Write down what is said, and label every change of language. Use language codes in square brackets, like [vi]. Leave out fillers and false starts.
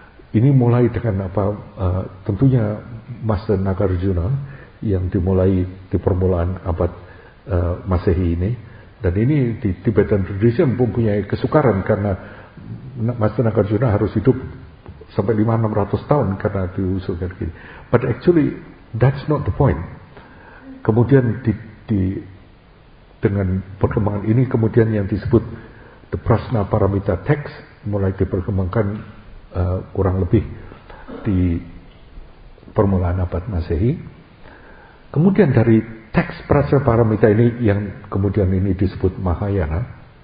[id] Ini mulai dengan apa, tentunya Master Nagarjuna yang dimulai di permulaan abad Masehi ini, dan ini di [en] Tibetan tradition [id] mempunyai kesukaran karena Master Nagarjuna harus hidup sampai 500-600 tahun karena diusulkan gini. [en] But actually that's not the point. [id] Kemudian di dengan perkembangan ini kemudian yang disebut [en] the Prasna Paramita text [id] mulai diperkembangkan kurang lebih di permulaan abad Masehi. Kemudian dari teks Prasna Paramita ini yang kemudian ini disebut Mahayana.